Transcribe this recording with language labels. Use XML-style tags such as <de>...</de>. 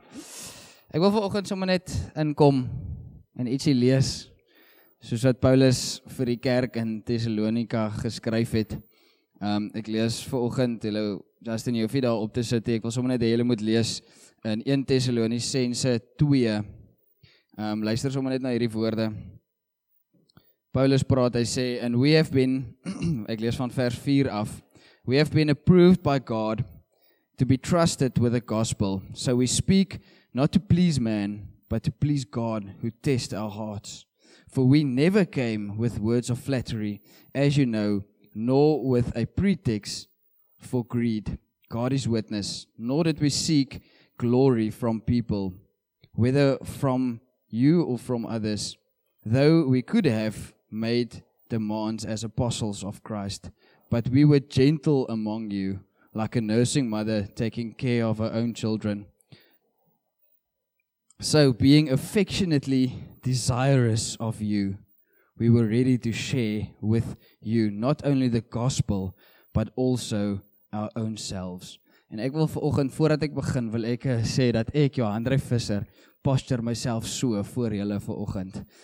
<af>Ek wil vanoggend sommer net inkom en ietsie lees, soos wat Paulus vir die kerk in Thessalonica geskryf het. Ek lees vanoggend, julle, Justin, jy hoef jy daar op te sitte, ek wil sommer net die hele moet lees, in 1 Thessalonicense 2. Luister sommer net na hierdie woorde. Paulus praat, hy sê,</af> <en>and we have been,</en> <af>ek lees van vers 4 af,</af> <en>we have been approved by God to be trusted with the gospel. So we speak not to please man, but to please God who tests our hearts. For we never came with words of flattery, as you know, nor with a pretext for greed. God is witness, nor did we seek glory from people, whether from you or from others, though we could have made demands as apostles of Christ. But we were gentle among you, like a nursing mother taking care of her own children. So, being affectionately desirous of you, we were ready to share with you not only the gospel, but also our own selves.</en> <af>En ek wil vanoggend, voordat ek begin, wil ek sê dat ek, Johandre Visser,</af> <en>posture myself</en> <af>so voor julle vanoggend.</af>